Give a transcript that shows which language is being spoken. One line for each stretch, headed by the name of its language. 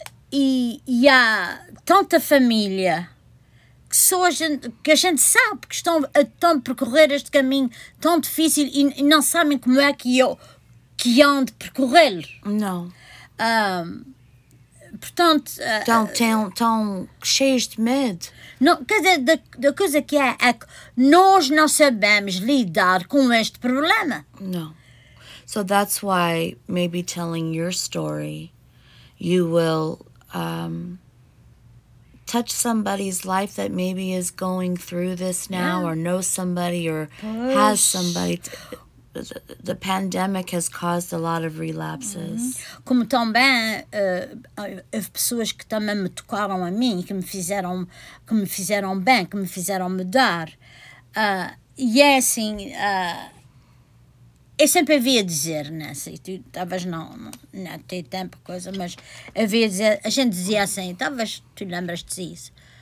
Portuguese: E há tanta família que, só a gente sabe que estão a percorrer este caminho tão difícil e não sabem como é que iam de percorrer. Não. Portanto... Estão cheios de medo. Não, quer dizer, da coisa que é que nós não sabemos lidar com este problema. Não.
English: So that's why maybe telling your story, you will touch somebody's life that maybe is going through this now, yeah. Or knows somebody or has somebody. The pandemic has caused a lot of relapses. Mm-hmm.
Portuguese: Como também houve pessoas que também me tocaram a mim, que me fizeram bem, que me fizeram mudar. E é assim, eu sempre havia a dizer, né? Assim, tu, talvez não tenha tempo, coisa, mas havia a dizer, a gente dizia assim, talvez tu lembras-te disso.